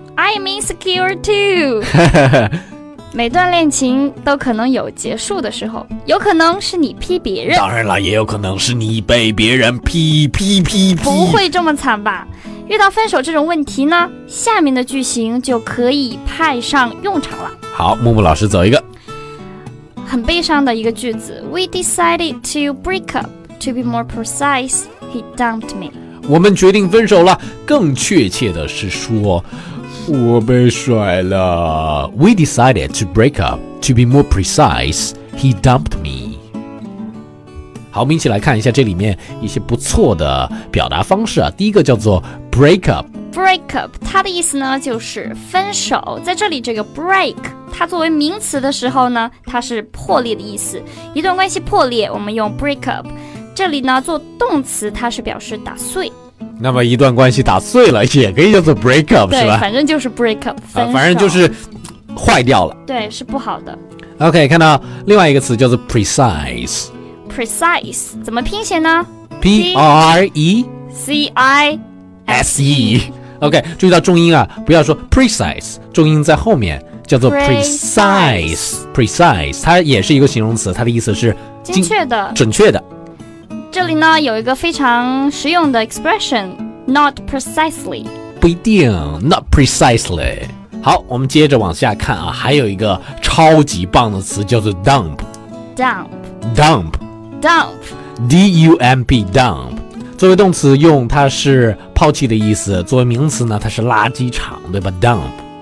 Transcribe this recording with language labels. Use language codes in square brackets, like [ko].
[en] I am insecure too [zh] 每段恋情都可能有结束的时候，有可能是你劈别人，当然了，也有可能是你被别人劈劈劈劈，不会这么惨吧。遇到分手这种问题呢，下面的句型就可以派上用场了。好，木木老师走一个。很悲伤的一个句子， [en] We decided to break up. To be more precise, he dumped me. [zh] 我们决定分手了，更确切的是说我被甩了。 [en] We decided to break up. To be more precise, he dumped me. [zh] 好，我们一起来看一下这里面一些不错的表达方式啊。第一个叫做break up， break up 它的意思呢就是分手。在这里这个 break 它作为名词的时候呢，它是破裂的意思，一段关系破裂我们用 break up。这里呢做动词它是表示打碎，那么一段关系打碎了也可以叫做 break up 是吧？对，反正就是 break up 分手、反正就是坏掉了，对，是不好的。 OK， 看到另外一个词叫做 precise。 precise 怎么拼写呢？ P-R-E-C-I S-E OK， 注意到重音啊，不要说 precise， 重音在后面，叫做 precise。 precise 它也是一个形容词，它的意思是精确的，准确的。这里呢有一个非常实用的 expression， [en] not precisely， [zh] 不一定， [en] not precisely。 [zh] 好，我们接着往下看啊，还有一个超级棒的词叫做 dump。 [en] dump dump dump [zh] D-U-M-P dump作为动词用，它是抛弃的意思，作为名词呢它是垃圾场，对吧？ [en] dump。